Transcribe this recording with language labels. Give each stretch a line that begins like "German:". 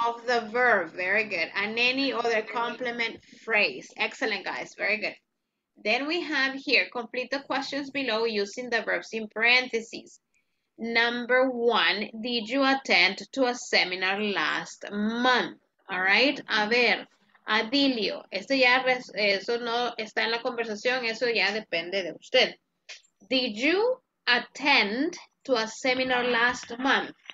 English: of the verb. Very good. And any other complement phrase. Excellent, guys. Very good. Then we have here, complete the questions below using the verbs in parentheses. Number one, did you attend to a seminar last month? All right.
Spanish: A ver,
English: Adilio.
Spanish: Esto ya, eso no está en la conversación. Eso ya depende de usted.
English: Did you attend to a seminar last month?